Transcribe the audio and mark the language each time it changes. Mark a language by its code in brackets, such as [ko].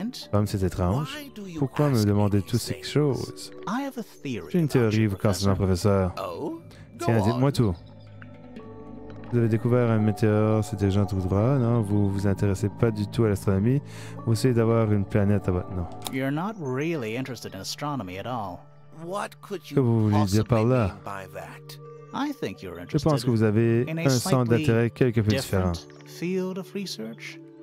[fr] Comme c'est étrange, pourquoi me demander toutes ces choses? J'ai une théorie vous concernant, professeur. Tiens, dites-moi tout. Vous avez découvert un météore, c'était gentil tout droit, non? Vous vous intéressez pas du tout à l'astronomie. Vous essayez d'avoir une planète à votre nom. [en] You're not really interested in astronomy at all. What could you possibly mean by that? [fr] Je pense que vous avez un centre d'intérêt quelque peu différent. [en] Field of research.